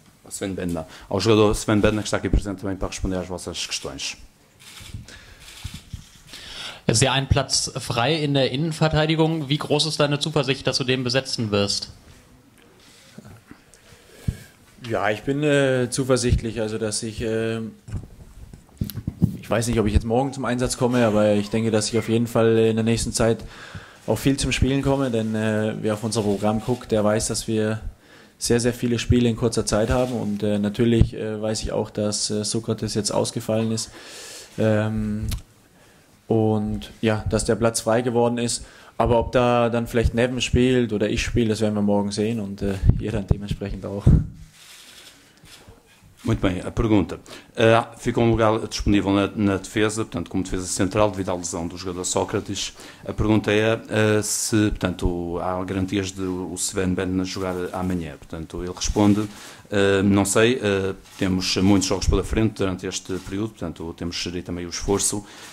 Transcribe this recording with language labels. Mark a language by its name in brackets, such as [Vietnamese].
[Portuguese] Sven Bender. Ao jogador Sven Bender, que está aqui presente também para responder às vossas questões. [German] Es ist ja ein Platz frei in der Innenverteidigung. Wie groß ist deine Zuversicht, dass du den besetzen wirst? Ja, ich bin zuversichtlich, also dass ich, ich weiß nicht, ob ich jetzt morgen zum Einsatz komme, aber ich denke, dass ich auf jeden Fall in der nächsten Zeit auch viel zum Spielen komme, denn wer auf unser Programm guckt, der weiß, dass wir sehr, sehr viele Spiele in kurzer Zeit haben und natürlich weiß ich auch, dass Sokrates jetzt ausgefallen ist und ja, dass der Platz frei geworden ist. Aber ob da dann vielleicht Neven spielt oder ich spiele, das werden wir morgen sehen und ihr dann dementsprechend auch. [Portuguese] Muito bem, a pergunta. Fica um lugar disponível na defesa, portanto, como defesa central, devido à lesão do jogador Sócrates. A pergunta é se, portanto, há garantias de o Sven Bender jogar amanhã. Portanto, ele responde, não sei, temos muitos jogos pela frente durante este período, portanto, temos que gerir também o esforço.